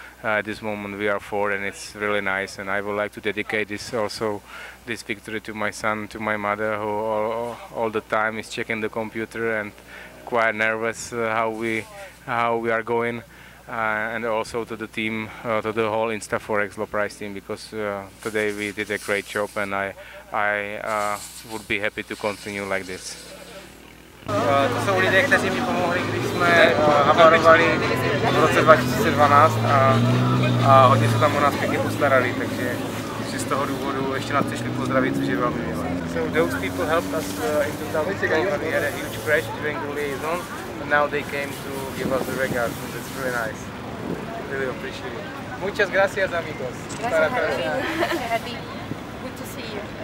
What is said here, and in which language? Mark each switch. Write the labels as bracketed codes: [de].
[en] At this moment we are four and it's really nice and I would like to dedicate this victory to my son, to my mother who all the time is checking the computer and quite nervous how we are going and also to the team, to the whole Insta4X Loprice team because today we did a great job and I would be happy to continue like this. [cs] To jsou lidé, kteří mi pomohli, když jsme havarovali v roce 2012 a hodně se tam o nás pěkně postarali, takže z toho důvodu ještě nás přišli pozdravit, což je velmi milé. [en] So those people helped us in 2012, we had a huge crash during the liaison, but now they came to give us the regards, so that's really nice. Really appreciate it. [es] Muchas gracias, amigos. [en] Gracias, happy. Good to see you.